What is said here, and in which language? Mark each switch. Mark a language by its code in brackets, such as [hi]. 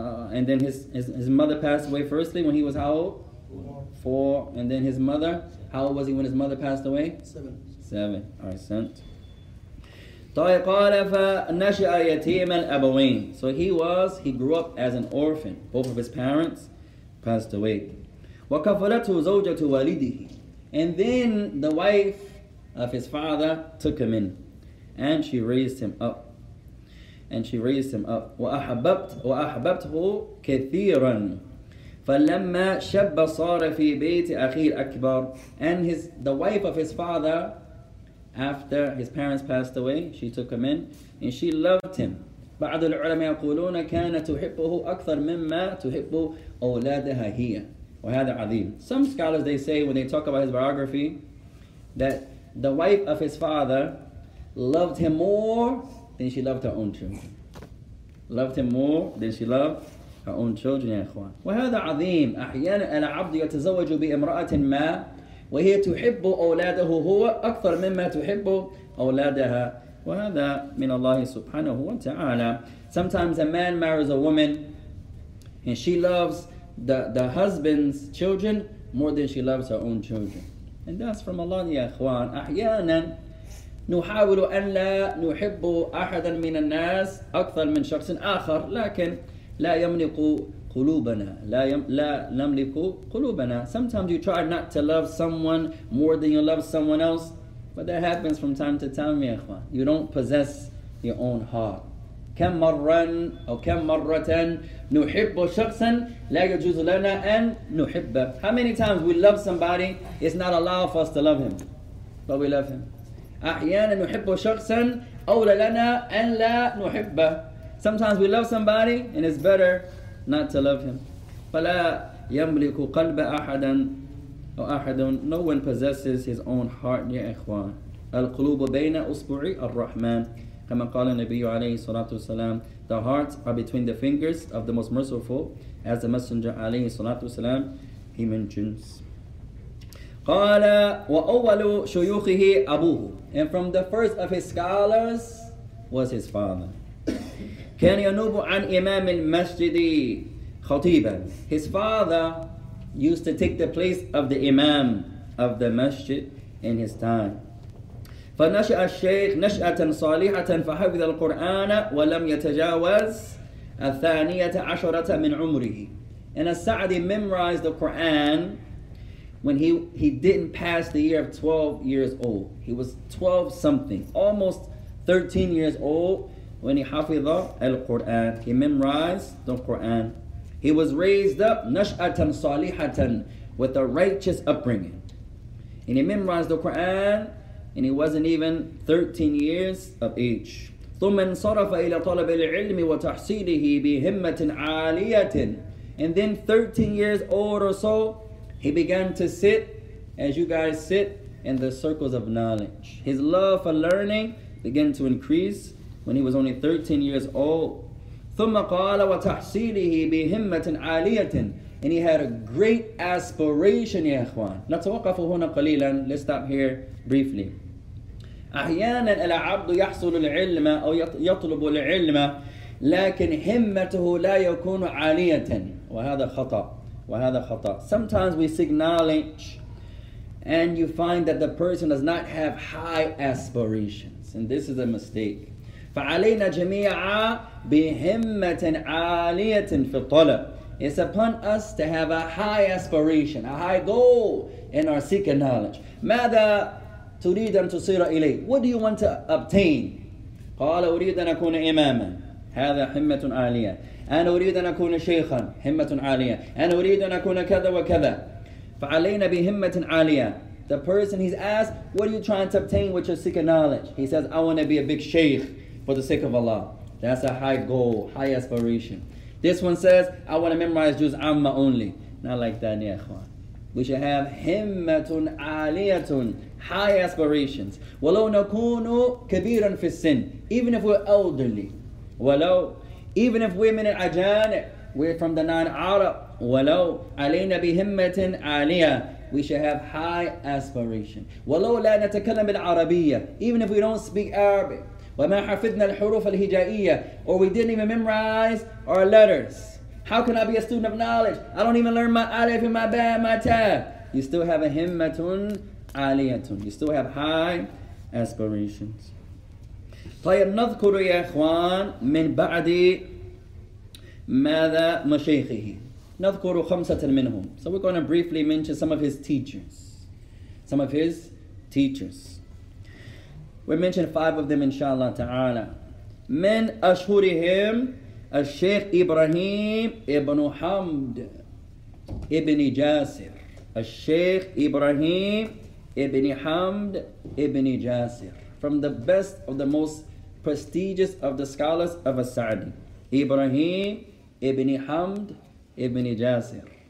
[en] And then his mother passed away firstly when he was how old? Four. And then his mother, how old was he when his mother passed away? Seven. All right, sent. [ar] طيب قال فنشأ يتيم الأبوين. [en] So he grew up as an orphan. Both of his parents passed away. [ar] وكفلته زوجة والده. [en] And then the wife of his father took him in. And she raised him up. and she raised him up. [ar] وَأَحَبَبْتُهُ كَثِيرًا فَلَمَّا شَبَّ صَارَ فِي بَيْتِ أَخِي الْأَكْبَرِ. [en] And the wife of his father, after his parents passed away, she took him in and she loved him. [ar] بعض العلماء يقولون كان تحبه أكثر مما تحب أولادها هي. وهذا عظيم. [en] Some scholars, they say, when they talk about his biography, that the wife of his father loved him more than she loved her own children. Loved him more than she loved her own children, [ar] يا إخوان. وهذا عظيم. أحيانا العبد يتزوج بامرأة ما وهي تحب أولاده هو أكثر مما تحب أولادها. وهذا من الله سبحانه وتعالى. [en] Sometimes a man marries a woman and she loves the husband's children more than she loves her own children. And that's from Allah, [ar] يا إخوان. أحيانا نحاول أن لا نحب أحدا من الناس أكثر من شخص آخر لكن لا يملك قلوبنا لا نملك قلوبنا. [en] Sometimes you try not to love someone more than you love someone else, but that happens from time to time, [ar] يا إخوان. [en] You don't possess your own heart. [ar] كم مرة أو كم مرة نحب شخصا لا يجوز لنا أن نحبه. [en] How many times we love somebody, it's not allowed for us to love him, but we love him. [ar] أحيانا نحب شخصا أولى لنا أن لا نحبه. [en] Sometimes we love somebody and it's better not to love him. [ar] فلا يملك قلب أحدا أو أحد. [en] No one possesses his own heart, [ar] يا إخوان. القلوب بين أصبع الرحمن. كما قال النبي عليه الصلاة والسلام, [en] the hearts are between the fingers of the most merciful, as the messenger [ar] عليه الصلاة والسلام, [en] he mentions. [ar] قال وأول شيوخه أبوه. [en] And from the first of his scholars was his father. [ar] كان ينوب عن إمام المسجد خطيبا. [en] His father used to take the place of the Imam of the masjid in his time. [ar] فَنَشَأَ الشَّيْخ نَشْأَةً صَالِحَةً فَحَفِظَ الْقُرْآنَ وَلَمْ يَتَجَاوَزْ الثَّانِيَةَ عَشَرَةَ مِنْ عُمْرِهِ. [en] And As-Sa'di memorized the Qur'an when he didn't pass the year of 12 years old. He was 12 something, almost 13 years old when he [ar] حَفِظَ الْقُرْآنَ. [en] He memorized the Qur'an. He was raised up [ar] نَشْأَةً صَالِحَةً [en] with a righteous upbringing. And he memorized the Qur'an and he wasn't even 13 years of age. [ar] ثم انصرف إلى طلب العلم وتحصيله بهمة عالية. [en] And then 13 years old or so, he began to sit, as you guys sit, in the circles of knowledge. His love for learning began to increase when he was only 13 years old. [ar] ثم قال وتحصيله بهمة عالية. [en] And he had a great aspiration, [ar] يا إخوان. نتوقف هنا قليلا. [en] Let's stop here briefly. [ar] أحيانا العبد يحصل العلم أو يطلب العلم لكن همته لا يكون عالية. وهذا خطأ. [en] Sometimes we seek knowledge and you find that the person does not have high aspirations. And this is a mistake. [ar] فعلينا جميعا بهمة عالية في الطلب. [en] It's upon us to have a high aspiration, a high goal in our seeking knowledge. [ar] ماذا تريد أن تصير إليه? [en] What do you want to obtain? [ar] قال أريد أن أكون إماما. هذا همة عالية. أنا أريد أن أكون شيخا. همة عالية. أنا أريد أن أكون كذا وكذا. فعلينا بهمة عالية. [en] The person, he's asked, what are you trying to obtain with your seeking knowledge? He says, I want to be a big sheikh for the sake of Allah. That's a high goal, high aspiration. This one says, I want to memorize Juz Amma only. Not like that, [ar] ya ikhwan. [en] We should have [ar] himmatun aliyatun, [en] high aspirations. [ar] Walau nakunu kabiran fi sin, [en] even if we're elderly. [ar] Walau, [en] even if we're [ar] min ajanib, [en] we're from the non-Arab. [ar] Walau alayna bi himmatin aliyah, [en] we should have high aspiration. [ar] Walau la natakallam bil arabiyya, [en] even if we don't speak Arabic. [ar] وَمَا حَفِذْنَا الْحُرُوفَ الْهِجَائِيَّةِ. [en] Or we didn't even memorize our letters. How can I be a student of knowledge? I don't even learn my alif and my ba and my ta. You still have a [ar] himmatun aliyatun. [en] You still have high aspirations. [ar] طيب نذكر يا إخوان من بعد ماذا مشيخه. نذكر خمسة منهم. [en] So we're going to briefly mention some of his teachers. Some of his teachers. We mentioned five of them, inshallah ta'ala. [ar] من أشهرهم الشيخ إبراهيم ابن حمد ابن جاسر الشيخ إبراهيم ابن حمد ابن جاسر [en] from the best of the most prestigious of the scholars of As-Sa'di [ar] إبراهيم ابن حمد ابن جاسر